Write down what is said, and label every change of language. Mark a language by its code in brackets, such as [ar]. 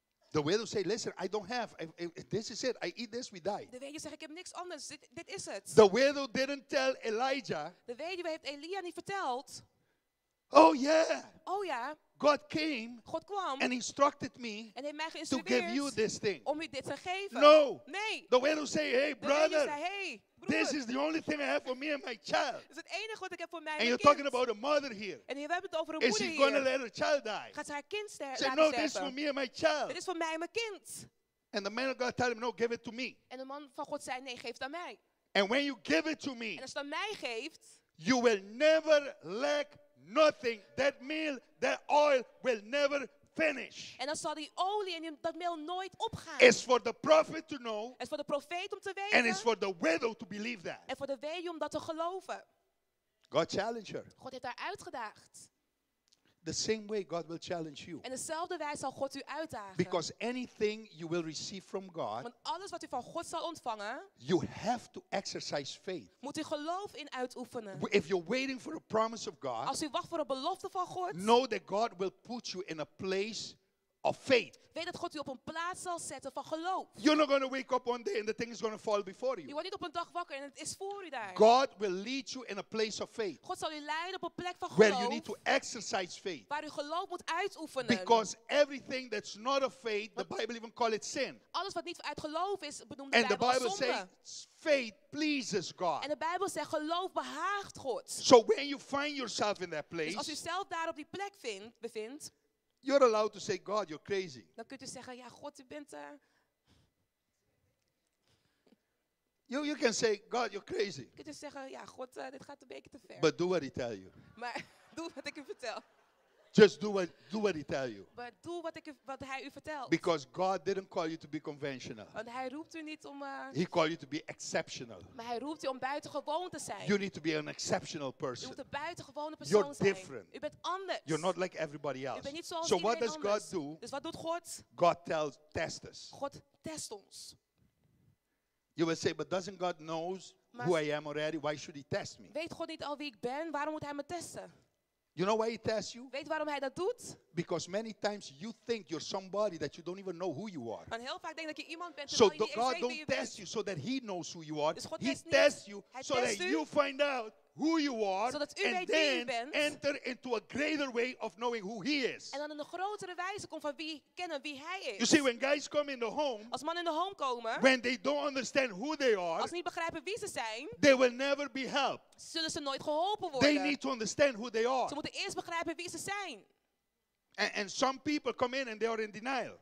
[en] The widow say, listen, I don't have, if this is it, I eat this, we die. [nl] De weduwe zegt, ik heb niks anders, dit is het. [en] The widow didn't tell Elijah. [nl] De weduwe heeft Elia niet verteld. [en] Oh yeah. [nl] Oh ja. [en] God came. [nl] God kwam. [en] And instructed me. [nl] En heeft mij geïnstrueerd. [en] To give you this thing. [nl] Om u dit te geven. [en] No. [nl] Nee. [en] The widow say, hey brother. [nl] De weduwe zei, hey broer. [en] This is the only thing I have for me and my child. [nl] Is het enige wat ik heb voor mij en mijn [en] And you're [nl] kind. [en] Talking about a mother here. [nl] En hier, we hebben het over een moeder hier. [en] Is she gonna let her child die? [nl] Gaat ze haar kind sterven? [en] Say, no, this is for me and my child. [nl] Dit is voor mij en mijn kind. [en] And the man of God told him, no, give it to me. [nl] En de man van God zei, nee, geef het aan mij. [en] And when you give it to me. [nl] En als het aan mij geeft. [en] You will never lack nothing. That meal, that oil will never finish. [nl] En dan zal die olie en dat meel nooit opgaan. [en] It's for the prophet to know. [nl] Het is voor de profeet om te weten. [en] And it's for the widow to believe that. [nl] En voor de weduwe om dat te geloven. [en] God challenged her. [nl] God heeft haar uitgedaagd. [en] The same way God will challenge you. [nl] En dezelfde wijze zal God u uitdagen. [en] Because anything you will receive from God, [nl] want alles wat u van God zal ontvangen, [en] you have to exercise faith. [nl] Moet u geloof in uitoefenen. [en] If you're waiting for a promise of God, [nl] als u wacht voor een belofte van God, [en] know that God will put you in a place of faith. [nl] Weet dat God u op een plaats zal zetten van geloof. [en] You're not going to wake up one day and the thing is going to fall before you. [nl] Je wordt niet op een dag wakker en het is voor u daar. [en] God will lead you in a place of faith. [nl] God zal u leiden op een plek van geloof. [en] Where you need to exercise faith. [nl] Waar u geloof moet uitoefenen. [en] Because everything that's not of faith, the Bible even calls it sin. [nl] Alles wat niet uit geloof is, benoemt de Bijbel als zonde. [en] And the Bible says faith pleases God. [nl] En de Bijbel zegt geloof behaagt God. [en] So when you find yourself in that place, [nl] dus als u zelf daar op die plek bevindt, [en] you're allowed to say, God, you're crazy. [nl] Dan kunt u zeggen, ja, God, u bent er. [en] You can say, God, you're crazy. [nl] Kunt u zeggen, ja, God, dit gaat een beetje te ver. [en] But do what he tell you. [nl] Maar doe wat ik u vertel. [en] Just do what he tell you. [nl] Maar doe wat hij u vertelt. [en] Because God didn't call you to be conventional. [nl] Want hij roept u niet om. [en] He called you to be exceptional. [nl] Maar hij roept u om buitengewoon te zijn. [en] You need to be an exceptional person. [nl] U moet een buitengewone persoon [en] You're [nl] zijn. [en] You're different. [nl] U bent anders. [en] You're not like everybody else. [nl] U bent niet zoals [en] so what does God [nl] anders. [en] Do? [nl] Dus wat doet God? [en] God tells test us. [nl] God test ons. [en] You will say, but doesn't God knows who I am already? Why should he test me? [nl] Weet God niet al wie ik ben? Waarom moet hij me testen? [en] You know why he tests you? [nl] Weet waarom hij dat doet? [en] Because many times you think you're somebody that you don't even know who you are. [nl] Want heel vaak denk dat je iemand bent. [en] So God don't test you so that he knows who you are. [nl] Dus God [en] he tests you so that you find out who you are. [nl] Zodat u [en] and [nl] weet [en] then [nl] wie u bent. [en] Enter into a greater way of knowing who he is. [nl] En dan in een grotere wijze komt van wie kennen wie hij is. [en] You see, when guys come in the home, [nl] als mannen in de home komen, [en] when they don't understand who they are, [nl] als ze niet begrijpen wie ze zijn, [en] they will never be helped. [nl] Zullen ze nooit geholpen worden? [en] They need to understand who they are. [nl] Ze moeten eerst begrijpen wie ze zijn. [en] And some people come in and they are in denial.